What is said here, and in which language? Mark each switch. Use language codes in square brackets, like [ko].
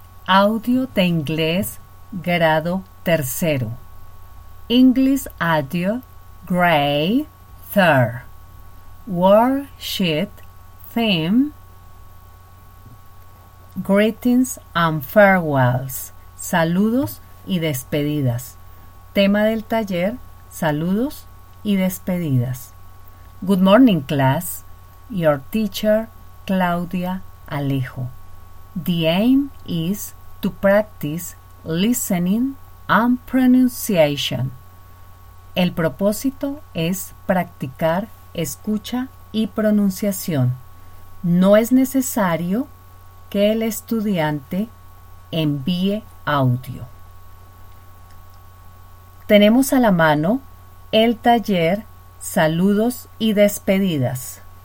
[es] Audio de inglés grado tercero. [en] English audio grade third. Worksheet theme. Greetings and farewells. [es] Saludos y despedidas. Tema del taller, saludos y despedidas. [en] Good morning, class. Your teacher, Claudia Alejo. The aim is to practice listening and pronunciation. [es] El propósito es practicar escucha y pronunciación. No es necesario que el estudiante envíe audio. Tenemos a la mano el taller Saludos y Despedidas.